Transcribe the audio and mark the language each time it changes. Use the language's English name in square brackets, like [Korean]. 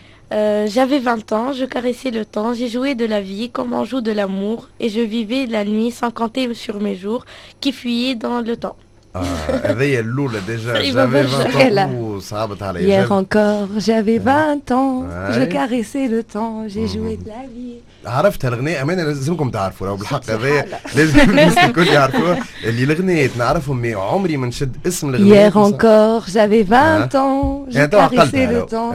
[French] J'avais 20 ans, je caressais le temps, j'ai joué de la vie comme on joue de l'amour et je vivais la nuit sans compter sur mes jours qui fuyaient dans le temps. Ah, elle loue là déjà, j'avais 20 ans. Hier encore, j'avais 20 ans, je caressais le temps, j'ai joué de la vie. [Arabic] عرفت هالغنية أمانة لازمكم تعرفوا راهو بالحق هذايا لازم الكل يعرفوها اللي الغنية نعرفهم مي عمري ما نشد اسم الغنية [French] Hier encore j'avais 20 ans j'ai caressé le temps